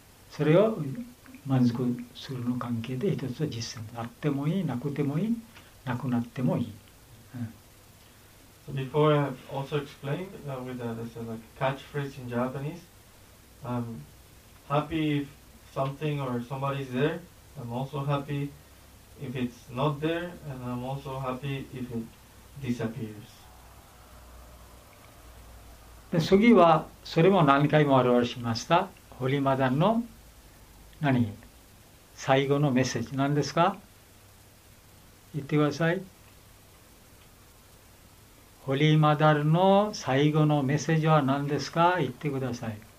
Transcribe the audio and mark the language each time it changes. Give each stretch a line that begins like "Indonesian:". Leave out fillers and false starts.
Japanese: それを満足するの関係で一つは実践、あってもいい、なくてもいい、なくなってもいい、
English: So before I have also explained with a like catchphrase in Japanese, I'm happy if something or somebody is there, I'm also happy if it's not there, and I'm also happy if itDisappears.
Japanese: で、次はそれも何回も表しました、ホリマダンの何最後のメッセージ何ですか、言ってください。ホリマダンの最後のメッセージは何ですか、言ってください。